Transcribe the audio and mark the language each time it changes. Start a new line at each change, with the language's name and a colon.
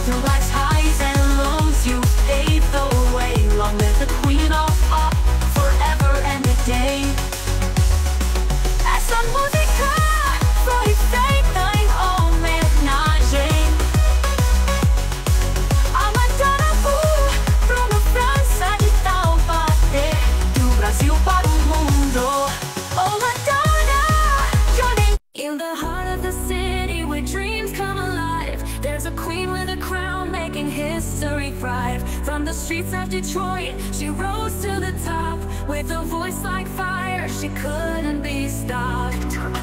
English: Through life's highs and lows, you pave the way. Long live the queen of pop, forever and a day.
Portuguese: Essa música foi feita em homenagem a Madonna por Bruno França de Taubaté, do Brasil para o mundo.
English: Oh, Madonna, your name. In the heart of the city where dreams come alive, there's a queen with a crown making history thrive. From the streets of Detroit, she rose to the top. With a voice like fire, she couldn't be stopped.